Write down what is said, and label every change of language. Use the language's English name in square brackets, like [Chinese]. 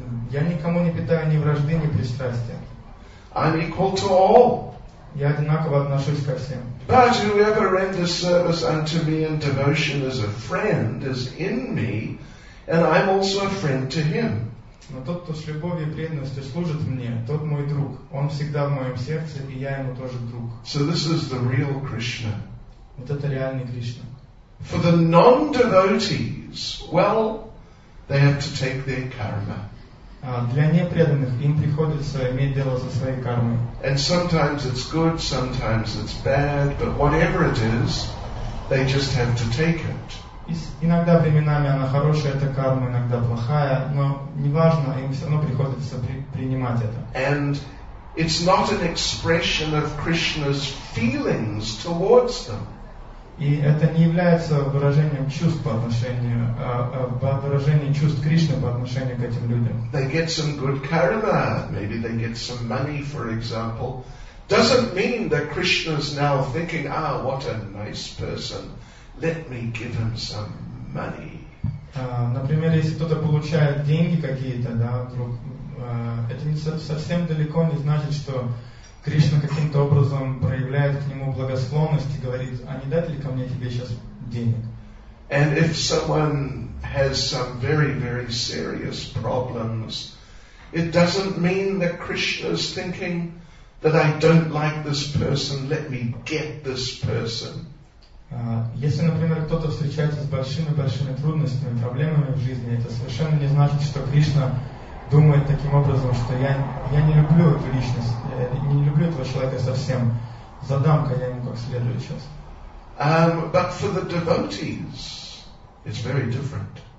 [Russian] Я никому не питаю ни вражды, ни пристрастия. [English] I'm equal to all. [Russian] Я одинаково отношусь ко всем. [English] But whoever renders service unto me in devotion as a friend is in me, and I'm also a friend to him. [Russian] Но тот, кто с любовью и преданностью служит мне, тот мой друг. Он всегда в моем сердце, и я ему тоже друг. [English] So this is the real Krishna. [Russian] Вот это реальный Кришна. [English] For the non-devotees, well, they have to take their karma. [Russian] Для непреданных им приходится иметь дело со своей кармой. [English] And sometimes it's good, sometimes it's bad, but whatever it is, they just have to take it. [Russian] Иногда временами она хорошая, эта карма, иногда плохая, но неважно, им все равно приходится принимать это. [English] And it's not an expression of Krishna's feelings towards them. [Russian] И это не является выражением чувств по отношению, выражением чувств Кришны по отношению к этим людям. [English] They get some good karma, maybe they get some money, for example. Doesn't mean that Krishna's now thinking, ah, what a nice person. Let me give him some money. [Russian] Например, если кто-то получает деньги какие-то, да, вдруг, это не совсем далеко не значит, что Кришна каким-то образом проявляет к нему благосклонность и говорит, а не дать ли ко мне тебе сейчас денег? [English] And if someone has some very, very serious problems, it doesn't mean that Krishna's thinking that I don't like this person, let me get this person. [Russian] Если, например, кто-то встречается с большими-большими трудностями, проблемами в жизни, это совершенно не значит, что Кришна думает таким образом, что я не люблю эту личность, не люблю этого человека совсем. Задам-ка я ему как следует сейчас. [English] But for the devotees, it's very different.